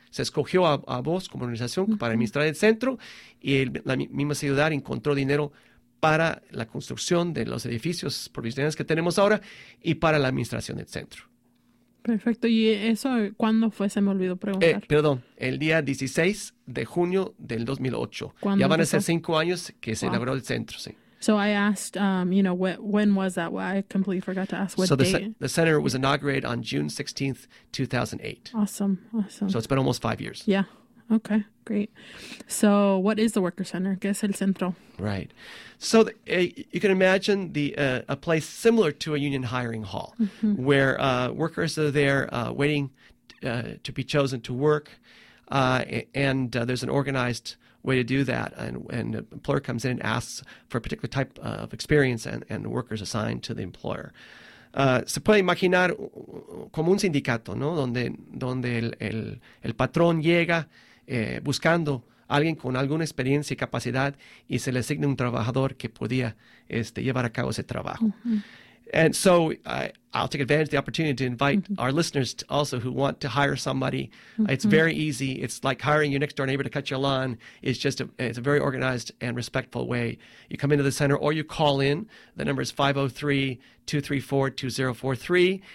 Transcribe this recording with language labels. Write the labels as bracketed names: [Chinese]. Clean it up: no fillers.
[Spanish] Se escogió a Vos como organización para administrar el centro, y la misma ciudad encontró dinero para la construcción de los edificios provisionales que tenemos ahora y para la administración del centro. Perfecto. ¿Y eso cuándo fue? Se me olvidó preguntar. Perdón, el día 16 de junio del 2008. Ya van a ser 5 años que se inauguró el centro, sí. [English] So I asked, you know, when was that? Well, I completely forgot to ask what so date. So the center was inaugurated on June 16th, 2008. Awesome. So it's been almost 5 years. Yeah. Okay, great. So what is the Worker Center? [Spanish] ¿Qué es el centro? [English] Right. So you can imagine a place similar to a union hiring hall, mm-hmm. where workers are there waiting to be chosen to work, and there's an organized way to do that, and an employer comes in and asks for a particular type of experience and the workers assigned to the employer. [Spanish] Se puede imaginar como un sindicato, ¿no? Donde el patrón llega buscando a alguien con alguna experiencia y capacidad y se le asigna un trabajador que podía llevar a cabo ese trabajo. Mm-hmm. [English] And so I'll take advantage of the opportunity to invite mm-hmm. our listeners to also who want to hire somebody. Mm-hmm. It's very easy. It's like hiring your next door neighbor to cut your lawn. It's just it's a very organized and respectful way. You come into the center or you call in. The number is 503-234-2043.